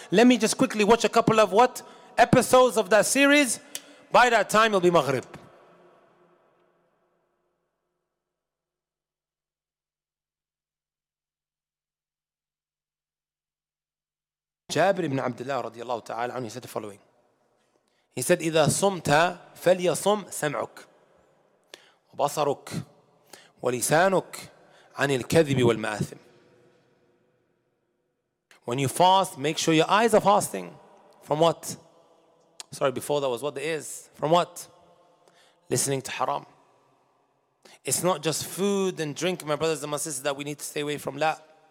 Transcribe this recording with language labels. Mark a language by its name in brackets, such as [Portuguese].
[English] Let me just quickly watch a couple of what? Episodes of that series. By that time, it'll be Maghrib. Jabir ibn Abdullah radiallahu ta'ala, he said the following. He said, [Arabic] إِذَا صُمْتَ فَلْيَصُمْ سَمْعُكْ وَبَصَرُكْ وَلِسَانُكْ عَنِ الْكَذِبِ وَالْمَآثِمِ. [English] When you fast, make sure your eyes are fasting. From what? Sorry, before that was what the ears. From what? Listening to haram. It's not just food and drink, my brothers and my sisters, that we need to stay away from that.